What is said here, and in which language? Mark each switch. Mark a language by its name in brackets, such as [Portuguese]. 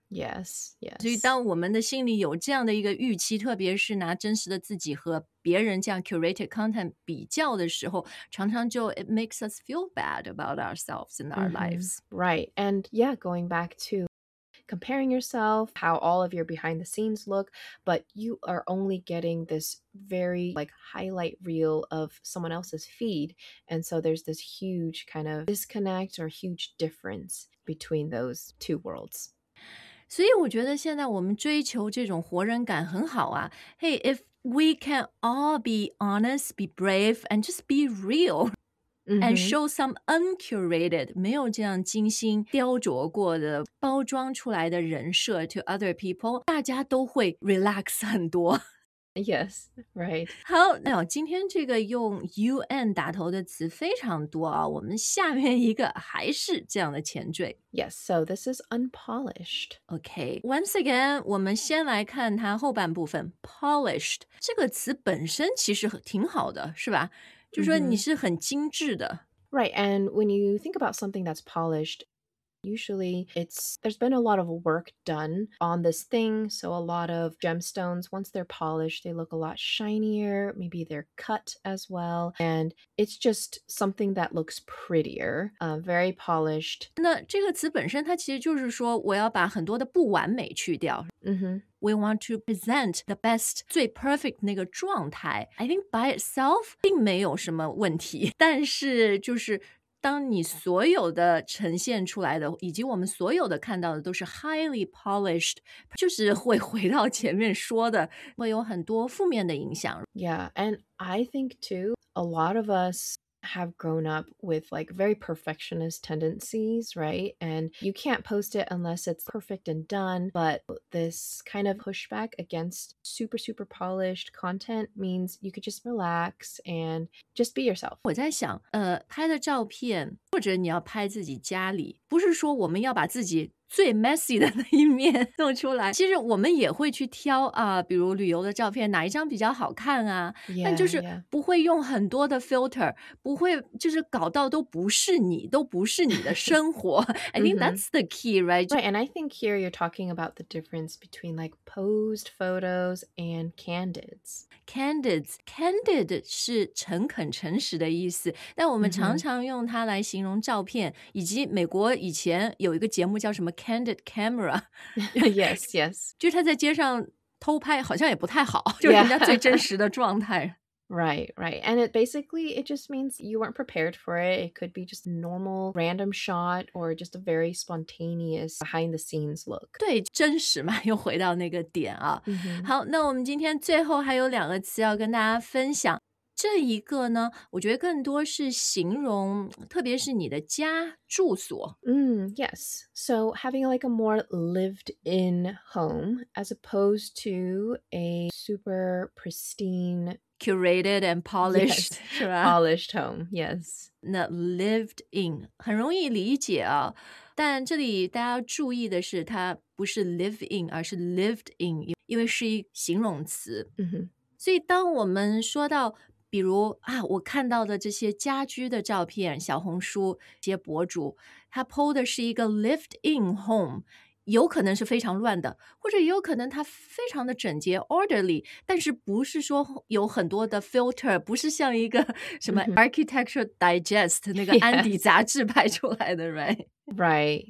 [English] Yes, yes. [Chinese] 所以当我们的心里有这样的一个预期，特别是拿真实的自己和别人这样 curated content 比较的时候，常常就 [English] it makes us feel bad about ourselves and our lives. Right. And yeah, going back to comparing yourself, how all of your behind the scenes look, but you are only getting this very like highlight reel of someone else's feed. And so there's this huge kind of disconnect or huge difference between those two worlds. [Chinese] 所以我觉得现在我们追求这种活人感很好啊。 [English] Hey, if we can all be honest, be brave, and just be real,、 mm-hmm. and show some uncurated, [Chinese] 没有这样精心雕琢过的包装出来的人设 [English] to other people, [Chinese] 大家都会 relax 很多。 [English] Yes, right. [Chinese] 好，那今天这个用 UN 打头的词非常多啊，我们下面一个还是这样的前缀。 [English] Yes, so this is unpolished. Okay, once again, [Chinese] 我们先来看它后半部分 polished. 这个词本身其实挺好的，是吧？就说你是很精致的。 Mm-hmm. [English] Right, and when you think about something that's polished,Usually, there's been a lot of work done on this thing. So a lot of gemstones, once they're polished, they look a lot shinier. Maybe they're cut as well. And it's just something that looks prettier, very polished. [Chinese] 那这个词本身它其实就是说我要把很多的不完美去掉。 Mm-hmm. [English] We want to present the best, 最 perfect [Chinese] 那个状态。 [English] I think by itself [Chinese] 并没有什么问题，但是就是当你所有的呈现出来的以及我们所有的看到的都是 [English] highly polished, [Chinese] 就是会回到前面说的会有很多负面的影响。 [English] Yeah, and I think too, a lot of us have grown up with like very perfectionist tendencies, right? And you can't post it unless it's perfect and done. But this kind of pushback against super, super polished content means you could just relax and just be yourself. [Chinese] 我在想，拍的照片，或者你要拍自己家里，不是说我们要把自己最 messy 的那一面弄出来，其实我们也会去挑啊，比如旅游的照片哪一张比较好看啊，但就是不会用很多的 filter, 不会就是搞到都不是你，都不是你的生活。 [English] I think that's the key, right? Right, and I think here you're talking about the difference between like posed photos and candids. [Chinese] Candid 是诚恳诚实的意思，但我们常常用它来形容照片，以及美国以前有一个节目叫什么Candid camera. [English] Yes, yes. [Chinese] 就是他在街上偷拍好像也不太好，就是人家最真实的状态。 [English] Right, right. And it basically, it just means you weren't prepared for it. It could be just a normal random shot or just a very spontaneous behind the scenes look. [Chinese] 对，真实嘛，又回到那个点啊。 Mm-hmm. 好，那我们今天最后还有两个词要跟大家分享。这一个呢，我觉得更多是形容，特别是你的家住所。 [English] Yes. So having like a more lived-in home as opposed to a super pristine, curated and polished, yes, polished home. Yes. [Chinese] 那 lived-in 很容易理解啊，但这里大家注意的是，它不是 live-in， 而是 lived-in， 因为是一形容词。 Mm-hmm. 所以当我们说到比如啊，我看到的这些家居的照片，小红书这些博主，他 po 的是一个 lived in home， 有可能是非常乱的，或者也有可能他非常的整洁 orderly， 但是不是说有很多的 filter， 不是像一个什么 architecture digest 那个安迪杂志拍出来的 right